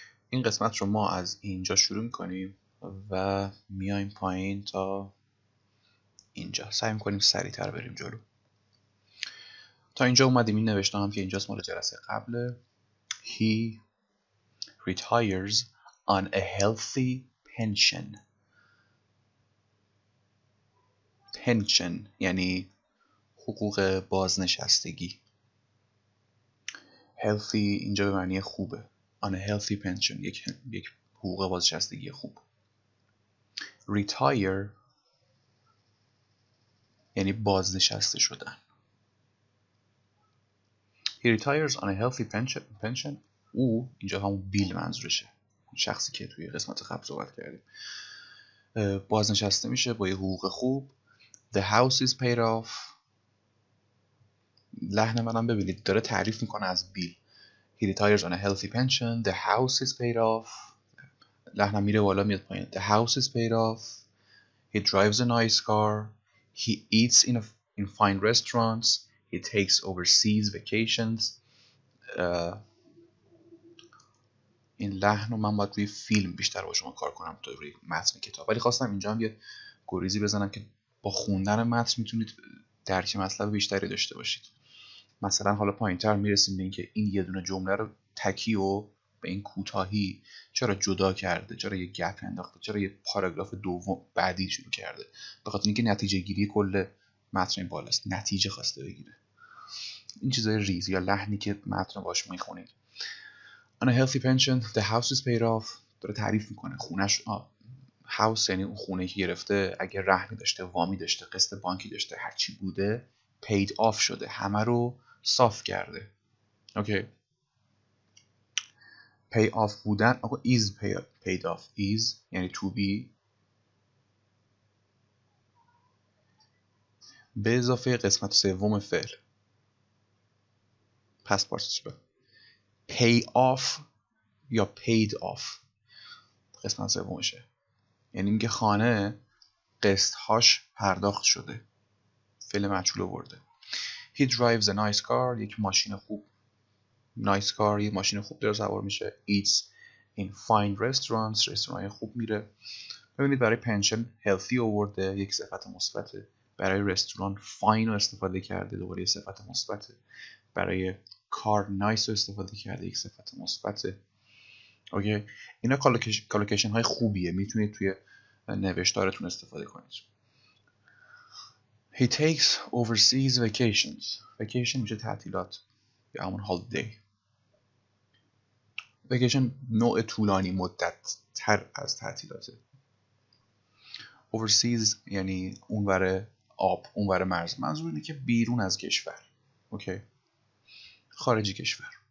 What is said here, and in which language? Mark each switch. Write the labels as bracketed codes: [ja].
[fa] این قسمت رو ما از اینجا شروع میکنیم و میایم پایین تا اینجا. سعی میکنیم سریع تر بریم جلو. تا اینجا اومدیم، این نوشته هم که اینجاست مال جلسه قبله. [en] He retires on a healthy pension. [fa] Pension یعنی حقوق بازنشستگی. healthy اینجا به معنی خوبه. [en] on a healthy pension [fa] یک حقوق بازنشستگی خوب. retire یعنی بازنشسته شدن. [en] he retires on a healthy pension. [fa] او اینجا همون بیل منظورشه، شخصی که توی قسمت قبل صحبت کردیم، بازنشسته میشه با یه حقوق خوب. [en] the house is paid off. [fa] لحن منم ببینید، داره تعریف میکنه از بیل. [en] He retires on a healthy pension. The house is paid off. [fa] لحنم میره بالا میاد پایین. [en] The house is paid off. He drives a nice car. He eats in fine restaurants. He takes overseas vacations. [fa] این لحن رو من باید روی فیلم بیشتر با شما کار کنم تا روی متن کتاب، ولی خواستم اینجا هم یه گریزی بزنم که با خوندن متن میتونید درک مطلب بیشتری داشته باشید. مثلا حالا پایین تر میرسیم به این که این یه دونه جمله رو تکی و به این کوتاهی چرا جدا کرده، چرا یه گپ انداخته، چرا یه پاراگراف دوم بعدی شروع کرده. به خاطر اینکه نتیجه گیری کل متن این بالاست، نتیجه خواسته بگیره. این چیزای ریز یا لحنی که متن رو باش میخونید. [en] on a healthy pension the house is paid off [fa] داره تعریف میکنه خونش. house یعنی اون خونه که گرفته، اگه رهنی داشته، وامی داشته، قسط بانکی داشته، هر چی بوده [en] paid off [fa] شده، همه رو صاف کرده. اوکی. [en] pay off [fa] بودن، آقا [en] is paid off. [fa] is یعنی [en] to be، [fa] به اضافه قسمت سوم فعل. [en] past participle. [fa] pay off یا paid off قسمت سومشه. یعنی میگه خانه قسط هاش پرداخت شده. فعل مجهول آورده. [en] He drives a nice car. [fa] یک ماشین خوب. [en] Nice car. [fa] یک ماشین خوب داره سوار میشه. [en] Eats in fine restaurants. [fa] رستوران خوب میره. ببینید برای pension healthy آورده. یک صفت مثبته. برای رستوران fine استفاده کرده. دوباره یک صفت مثبته. برای car nice استفاده کرده. یک صفت مثبته. Okay. اینا collocation های خوبیه. میتونید توی نوشتارتون استفاده کنید. [en] He takes overseas vacations. [fa] Vacation میشه تعطیلات یا همون holiday. Vacation نوع طولانی مدت تر از تعطیلاته. Overseas یعنی اونور آب، اونور مرز. منظور اینه که بیرون از کشور. اوکی. خارجی کشور.